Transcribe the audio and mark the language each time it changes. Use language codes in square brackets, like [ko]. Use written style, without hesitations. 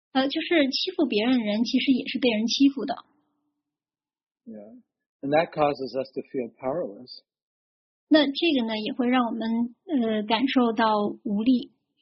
[zh] 就是欺负别人的人其实也是被人欺负的。 [en] Yeah, and that causes us to feel powerless. [zh] 那这个呢也会让我们感受到无力。